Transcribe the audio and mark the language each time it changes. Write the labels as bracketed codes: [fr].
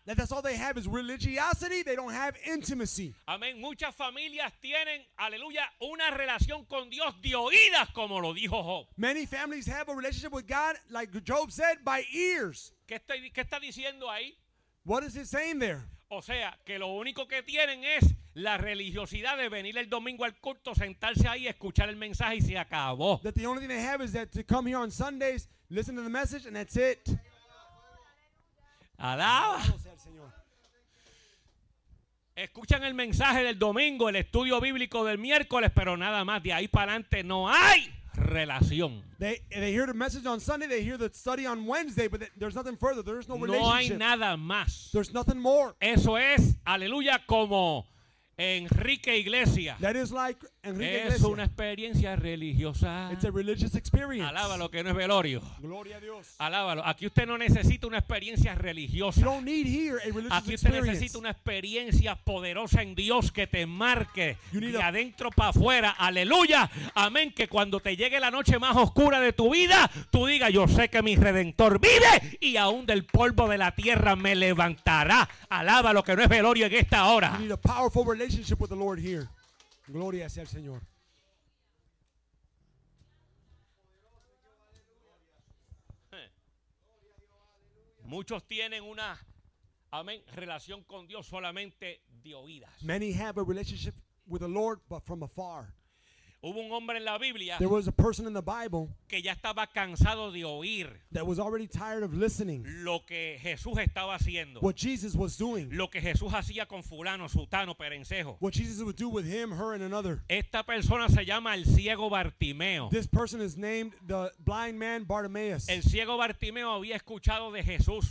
[en] That's all they have is religiosity. They don't have intimacy. [es] Amén. Muchas familias tienen, aleluya, una relación con Dios de oídas, como lo dijo Job. [en] Many families have a relationship with God, like Job said, by ears. [es] ¿Qué está diciendo ahí? [en] What is he saying there? [es] O sea, que lo único que tienen es la religiosidad de venir el domingo al culto, sentarse ahí, escuchar el mensaje y se acabó. [en] That the only thing they have is that to come here on Sundays, listen to the message, and that's it. [es] Alaba. Escuchan el mensaje del domingo, el estudio bíblico del miércoles, pero nada más, de ahí para adelante no hay relación. [en] They hear the message on Sunday, they hear the study on Wednesday, but there's nothing further, there's no relationship. [es] No hay nada más. [en] There's nothing more. [es] Eso es, aleluya, como Enrique Iglesias. [en] That is like Enrique Iglesias. [es] Es una experiencia religiosa. [en] It's a religious experience. [es] Alábalo, que no es velorio. Gloria a Dios. Alábalo. Aquí usted no necesita una experiencia religiosa. [en] You don't need here a religious experience. [es] Aquí usted necesita una experiencia poderosa en Dios que te marque de adentro para afuera. Aleluya. Amén. Que cuando te llegue la noche más oscura de tu vida, tú digas, yo sé que mi Redentor vive y aún del polvo de la tierra me levantará. Alábalo, que no es velorio en esta hora. [en] You need a powerful relationship with the Lord here. [es] Gloria sea al Señor. Muchos tienen una, amén, relación con Dios solamente de oídas. [en] Many have a relationship with the Lord, but from afar. [es] Hubo un hombre en la Biblia. [en] There was a person in the Bible [es] que ya estaba cansado de oír. [en] That was already tired of listening. [es] Lo que Jesús estaba haciendo. [en] What Jesus was doing. [es] Lo que Jesús hacía con fulano, sutano, perencejo. [en] What Jesus would do with him, her, and another. [es] Esta persona se llama el ciego Bartimeo. [en] This person is named the blind man Bartimaeus. [es] El ciego Bartimeo había escuchado de Jesús.